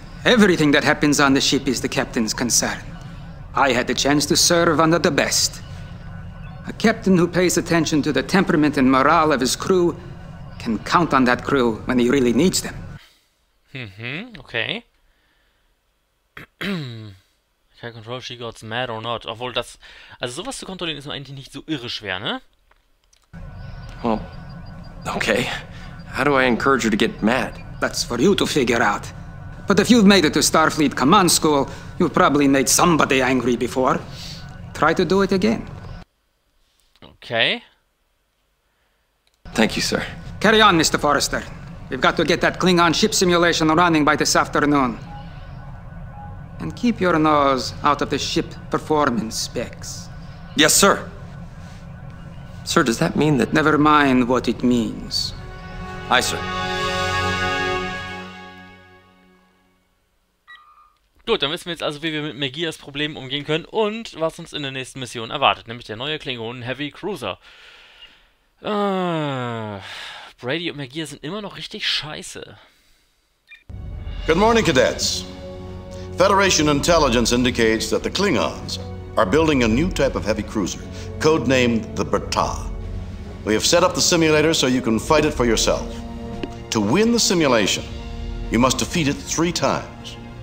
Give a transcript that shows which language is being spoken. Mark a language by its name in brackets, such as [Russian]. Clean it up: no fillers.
[English] Everything that happens on the ship is the captain's concern. I had the chance to serve under the best. A captain who pays attention to the temperament and morale of his crew can count on that crew when he really needs them. Okay. I can't control if she gets mad or not. [German] Obwohl das, also sowas zu kontrollieren ist eigentlich nicht so irre schwer, ne? [English] Well, okay. How do I encourage her to get mad? That's for you to figure out. But if you've made it to Starfleet Command School, you've probably made somebody angry before. Try to do it again. Okay. Thank you, sir. Carry on, Mr. Forrester. We've got to get that Klingon ship simulation running by this afternoon. And keep your nose out of the ship performance specs. Yes, sir. Sir, does that mean that... Never mind what it means. Aye, sir. [German] Gut, dann wissen wir jetzt also, wie wir mit Megias Problem umgehen können und was uns in der nächsten Mission erwartet, nämlich der neue Klingon Heavy Cruiser. Brady und Megia sind immer noch richtig scheiße. [English] Good morning, Cadets. Federation Intelligence indicates that the Klingons are building a new type of heavy cruiser, codenamed the Berta. We have set up the simulator so you can fight it for yourself. To win the simulation, you must defeat it 3 times.